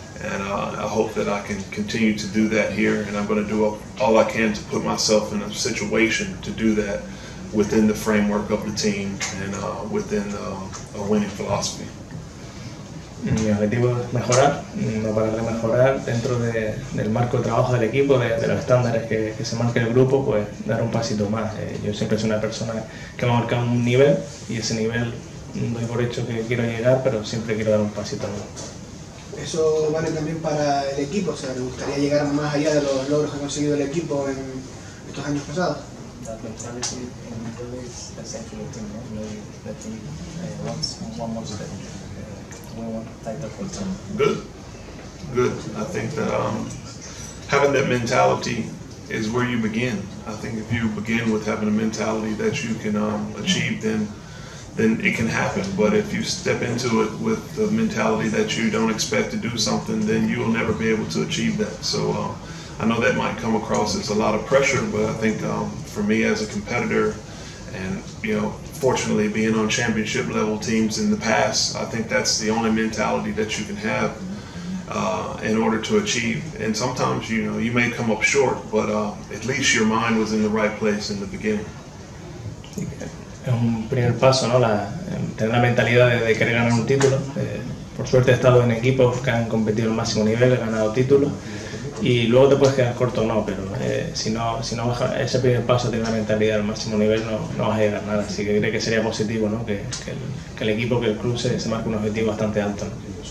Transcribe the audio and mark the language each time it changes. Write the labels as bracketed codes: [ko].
[en] And I hope that I can continue to do that here, and I'm going to do all I can to put myself in a situation to do that within the framework of the team and within a winning philosophy. [es] Mi objetivo es mejorar, no parar de mejorar dentro del marco de trabajo del equipo, de los estándares que se marca el grupo, pues dar un pasito más. Yo siempre soy una persona que me ha marcado un nivel, y ese nivel doy por hecho que quiero llegar, pero siempre quiero dar un pasito más. ¿Eso vale también para el equipo? O sea, ¿le gustaría llegar más allá de los logros que ha conseguido el equipo en estos años pasados? [en] That mentality in the middle is essentially the team, no? The team wants one more step. We want title for the team. Good. Good. I think that having that mentality is where you begin. I think if you begin with having a mentality that you can achieve, then it can happen. But if you step into it with the mentality that you don't expect to do something, then you will never be able to achieve that. So I know that might come across as a lot of pressure, but I think for me as a competitor, and you know, fortunately being on championship level teams in the past, I think that's the only mentality that you can have in order to achieve. And sometimes, you know, you may come up short, but at least your mind was in the right place in the beginning. [es] Es un primer paso, ¿no? Tener la mentalidad de querer ganar un título. Por suerte he estado en equipos que han competido al máximo nivel, he ganado títulos, y luego te puedes quedar corto o no, pero si no bajas ese primer paso, tener la mentalidad al máximo nivel, no vas a llegar a nada. Así que creo que sería positivo, ¿no? que el equipo, que el club se marque un objetivo bastante alto, ¿no?